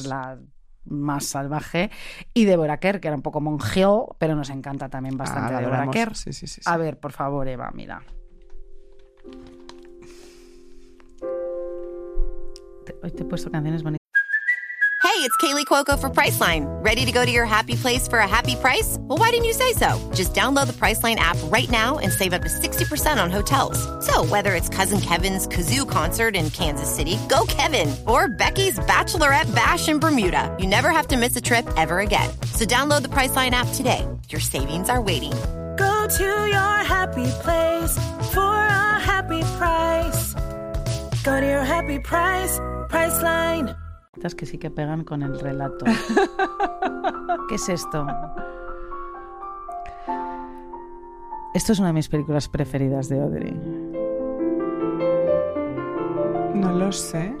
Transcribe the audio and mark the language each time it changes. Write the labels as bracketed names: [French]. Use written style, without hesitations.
[Spanish] Es la más salvaje, y Deborah Kerr, que era un poco monjeo, pero nos encanta también bastante Deborah Kerr. Sí. A ver, por favor, Eva, mira. Hoy te he puesto canciones bonitas. [English] Hey, it's Kaylee Cuoco for Priceline. Ready to go to your happy place for a happy price? Well, why didn't you say so? Just download the Priceline app right now and save up to 60% on hotels. So whether it's Cousin Kevin's Kazoo Concert in Kansas City, go Kevin! Or Becky's Bachelorette Bash in Bermuda, you never have to miss a trip ever again. So download the Priceline app today. Your savings are waiting. Go to your happy place for a happy price. Go to your happy price, Priceline. [Spanish] Que sí que pegan con el relato. ¿Qué es esto? Esto es una de mis películas preferidas de Audrey. No lo sé.